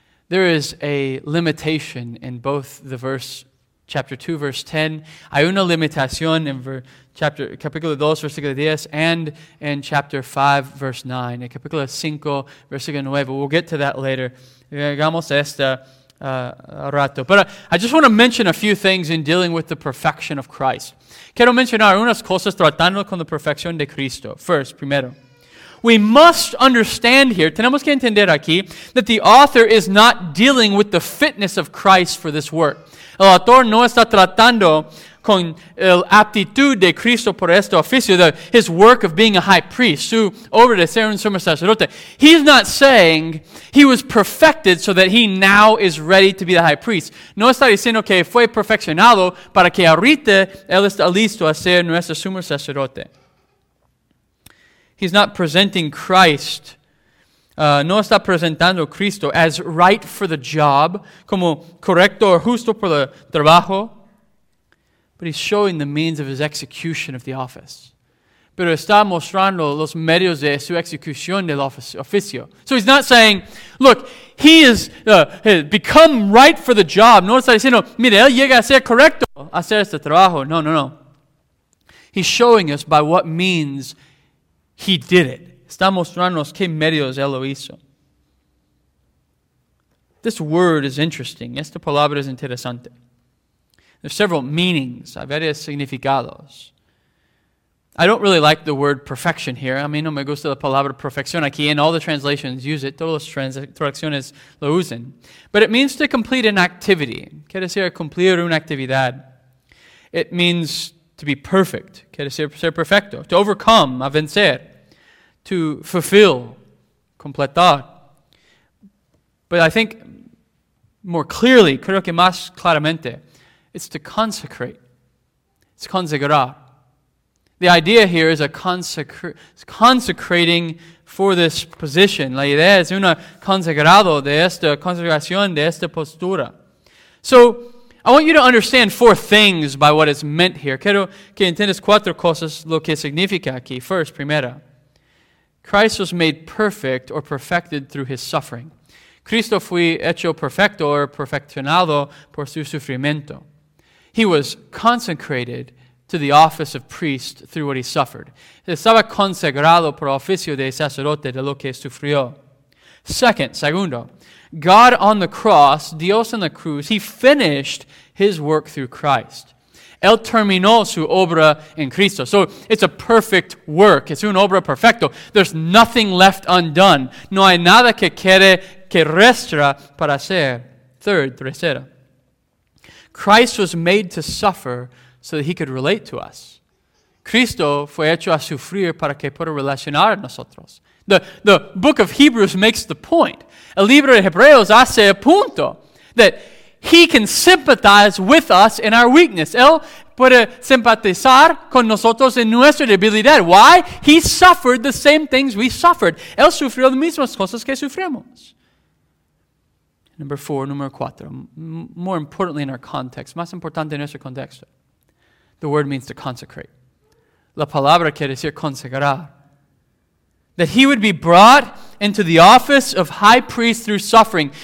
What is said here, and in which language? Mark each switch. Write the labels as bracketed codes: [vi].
[en] There is a limitation in both the verse, chapter 2, verse 10. [es] Hay una limitación en capítulo 2, versículo 10, [en] and in chapter 5, verse 9. [es] En capítulo 5, versículo 9. [en] We'll get to that later. [es] Llegamos a esta rato. [en] But I just want to mention a few things in dealing with the perfection of Christ. [es] Quiero mencionar unas cosas tratando con la perfección de Cristo. [en] First, primero. We must understand here, [es] tenemos que entender aquí, [en] that the author is not dealing with the fitness of Christ for this work. [es] El autor no está tratando con el aptitud de Cristo por este oficio, [en] his work of being a high priest, [es] su obra de ser un sumo sacerdote. [en] He's not saying he was perfected so that he now is ready to be the high priest. [es] No está diciendo que fue perfeccionado para que ahorita él está listo a ser nuestro sumo sacerdote. [en] He's not presenting Christ, [es] no está presentando Cristo [en] as right for the job, [es] como correcto o justo por el trabajo, [en] but he's showing the means of his execution of the office. [es] Pero está mostrando los medios de su ejecución del oficio. [en] So he's not saying, look, he is become right for the job. [es] No está diciendo, mire, él llega a ser correcto a hacer este trabajo. [en] No, no, no. He's showing us by what means he did it. [es] Está mostrándonos qué medios él lo hizo. [en] This word is interesting. [es] Esta palabra es interesante. [en] There's several meanings. [es] Hay varios significados. [en] I don't really like the word perfection here. [es] A mí no me gusta la palabra perfección aquí. [en] And all the translations use it. [es] Todas las traducciones lo usan. [en] But it means to complete an activity. [es] Quiere decir cumplir una actividad. [en] It means to be perfect. [es] Quiere decir ser perfecto. [en] To overcome, [es] a vencer. [en] To fulfill, [es] completar. [en] But I think more clearly, [es] creo que más claramente, [en] it's to consecrate. It's consagrar. The idea here is a consecrating for this position. [es] La idea es una consagrado de esta consagración, de esta postura. [en] So, I want you to understand four things by what is meant here. [es] Quiero que entiendas cuatro cosas lo que significa aquí. [en] First, primera. Christ was made perfect or perfected through his suffering. [es] Cristo fue hecho perfecto or perfeccionado por su sufrimiento. [en] He was consecrated to the office of priest through what he suffered. [es] Estaba consagrado por oficio de sacerdote de lo que sufrió. [en] Segundo, God on the cross, [es] Dios en la cruz, [en] he finished his work through Christ. [es] Él terminó su obra en Cristo. [en] So, it's a perfect work. [es] Es una obra perfecto. [en] There's nothing left undone. [es] No hay nada que quede que resta para hacer. Tercera. [en] Christ was made to suffer so that he could relate to us. [es] Cristo fue hecho a sufrir para que pueda relacionar a nosotros. [en] The book of Hebrews makes the point. [es] El libro de Hebreos hace el punto [en] that he can sympathize with us in our weakness. [es] Él puede simpatizar con nosotros en nuestra debilidad. [en] Why? He suffered the same things we suffered. [es] Él sufrió las mismas cosas que sufrimos. Número cuatro. [en] More importantly in our context. [es] Más importante en nuestro contexto. [en] The word means to consecrate. [es] La palabra quiere decir consagrar. [en] That he would be brought into the office of high priest through suffering.